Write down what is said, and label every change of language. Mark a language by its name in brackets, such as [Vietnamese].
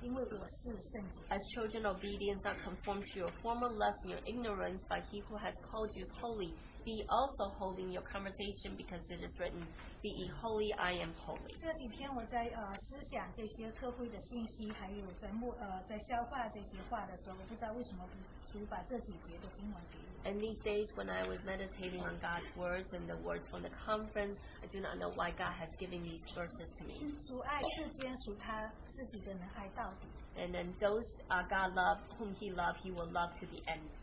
[English] As children of obedience that conform to your former lust and your ignorance by he who has called you holy, be also holy in your conversation because it is written, Be ye holy, I am holy. [Chinese] 这几天我在, 思想这些特会的信息, 还有在目, 在消化这些话的时候, 我不知道为什么不, [English] And these days when I was meditating on God's words and the words from the conference, I do not know why God has given these verses to me. And then those God loved whom He loved, He will love to the end.